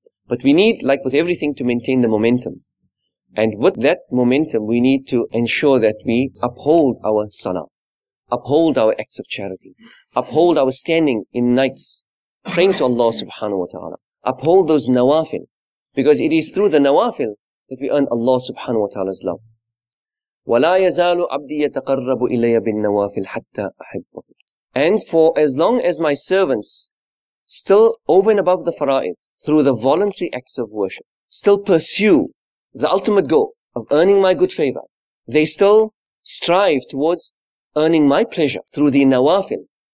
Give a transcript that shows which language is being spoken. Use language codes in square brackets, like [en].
[en] But we need, like with everything, to maintain the momentum. And with that momentum, we need to ensure that we uphold our salah, uphold our acts of charity, uphold our standing in nights, praying to Allah subhanahu wa ta'ala. Uphold those nawafil. Because it is through the nawafil that we earn Allah subhanahu wa ta'ala's love. [ar] ولا يزال عبدي يتقرب إلي بالنوافل حتى أحبه. [en] And for as long as my servants still over and above the fara'id, through the voluntary acts of worship, still pursue the ultimate goal of earning my good favor, they still strive towards earning my pleasure through the nawafil.